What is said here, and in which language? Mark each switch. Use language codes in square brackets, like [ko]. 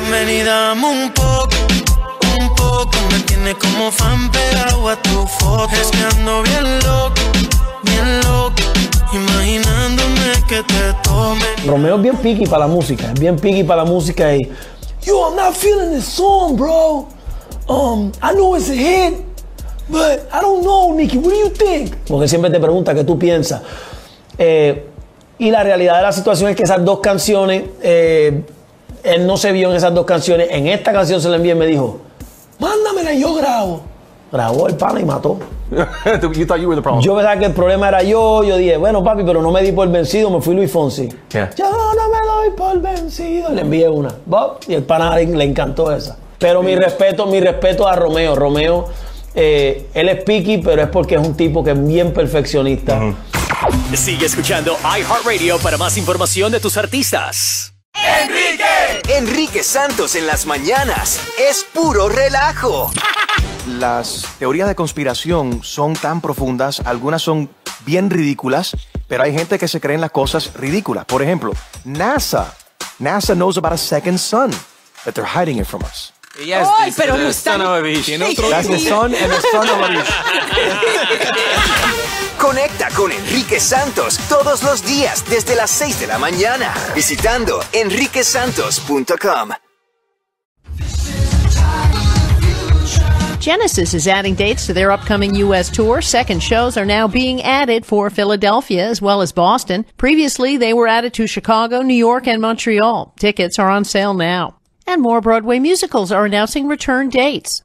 [es] Ven y dame un poco. Me tiene como fan pegado a tu foto. Es que ando bien loco, imaginándome que te tome. Romeo es bien picky para la música, es bien picky para la música y [en] yo, I'm not feeling this song, bro. I know it's a hit, but I don't know, Nicky, what do you think? [es] Porque siempre te pregunta qué tú piensas. Y la realidad de la situación es que esas dos canciones, él no se vio en esas dos canciones. En esta canción se la envié y me dijo, mándamela y yo grabo. Grabó el pana y mató. [en] You thought you were the problem. [es] Yo pensaba que el problema era yo. Yo dije, bueno, papi, pero no me di por vencido. Me fui Luis Fonsi. Yeah. Yo no me doy por vencido. Le envié una. Bob. Y el pana le encantó esa. Pero yeah. mi respeto a Romeo. Romeo, él es picky, pero es porque es un tipo que es bien perfeccionista. Uh-huh. Sigue escuchando iHeartRadio para más información de tus artistas. Enrique Santos en las mañanas es puro relajo. Las teorías de conspiración son tan profundas, algunas son bien ridículas, pero hay gente que se cree en las cosas ridículas. Por ejemplo, [en] NASA knows about a second sun, but they're hiding it from us. Yes, oh, [es] pero no está. [en] That's the son and the son of a bitch. [es] Conecta con Enrique Santos todos los días desde las 6 de la mañana visitando enriquesantos.com. [en] Genesis is adding dates to their upcoming U.S. tour. Second shows are now being added for Philadelphia as well as Boston. Previously, they were added to Chicago, New York, and Montreal. Tickets are on sale now. And more Broadway musicals are announcing return dates.